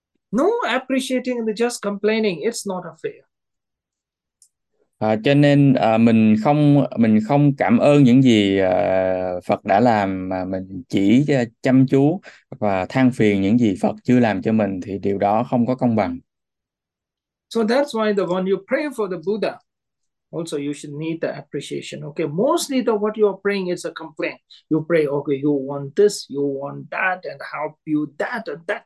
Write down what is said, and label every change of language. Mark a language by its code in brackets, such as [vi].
[en] No appreciating and just complaining, it's not a fair. [vi] Cho nên mình không cảm ơn những gì Phật đã làm, mà mình chỉ chăm chú và than phiền những gì Phật chưa làm cho mình, thì điều đó không có công bằng. [en] So that's why the one you pray for the Buddha, also you should need the appreciation. Okay, mostly the what you are praying is a complaint. You pray, okay, you want this, you want that, and help you that and that.